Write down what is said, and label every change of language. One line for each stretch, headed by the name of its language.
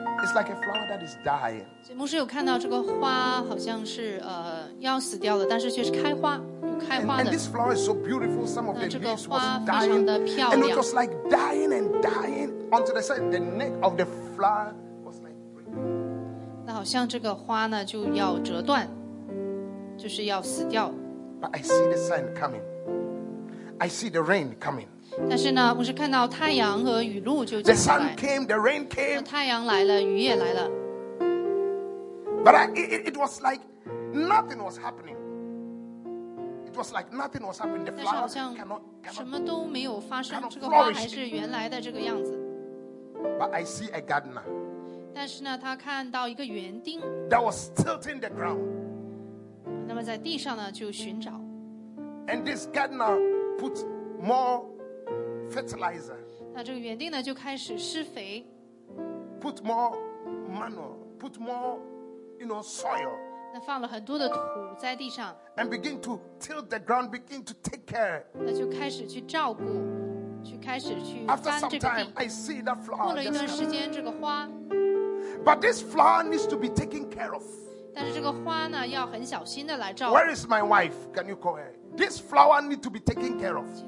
Chinese: 所以牧师有看到这个花好像是要死掉了，但是却是开花，有开花的。
English: And this flower is so beautiful. Some of the leaves was dying. And it was like dying and dying until the side, the neck of the flower was like.
Chinese: 那好像这个花呢就要折断，就是要死掉。
English: But I see the sun coming. I see the rain coming.
Chinese: 但是呢，我是看到太阳和雨露就
English: 进来。The sun came, the rain came.
Chinese: 太阳来了，雨也来了。
English: But it was like nothing was happening. It was like nothing was happening. The flower cannot
Chinese: 什么都没有发生，这个花还是原来的这个样子。
English: But I see a gardener.
Chinese: 但是呢，他看到一个园丁。
English: That was tilting the ground.
Chinese: 那么在地上呢，就寻找。
English: And this gardener put more. Fertilizer.
Chinese: 那这个园丁呢就开始施肥。
English: Put more manure. Put more, you know, soil.
Chinese: 那放了很多的土在地上。
English: And begin to till the ground. Begin to take care.
Chinese: 那就开始去照顾，去开始去翻这个地。
English: After some time, I see that flower.
Chinese: 过了一段时间，这个花。
English: But this flower needs to be taken care of.
Chinese: 但是这个花呢，要很小心的来照顾。
English: Where is my wife? Can you call her? This flower needs to be taken care of.